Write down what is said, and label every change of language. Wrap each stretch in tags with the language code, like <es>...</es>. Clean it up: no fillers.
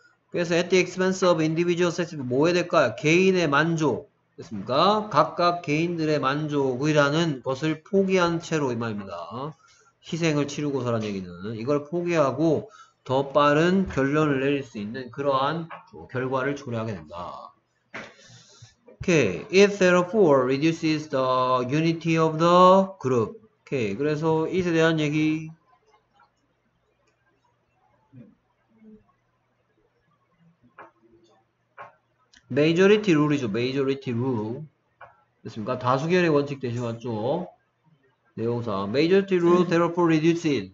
<ko>그래서</ko> <en>at the expense of individual satisfaction</en> <ko>뭐의 대가야? 개인의 만족. 됐습니까? 각각 개인들의 만족이라는 것을 포기한 채로 이 말입니다. 희생을 치르고서라는 얘기는 이걸 포기하고 더 빠른 결론을 내릴 수 있는 그러한 결과를 초래하게 된다.</ko> <en>Okay. It therefore reduces the unity of the group. Okay.</en> <ko>그래서 it에 대한 얘기. 메이저리티 룰이죠. 메이저리티 룰. 됐습니까? 다수결의 원칙 대신 왔죠. 내용상 메이저리티 룰</ko> <en>therefore reduces.</en>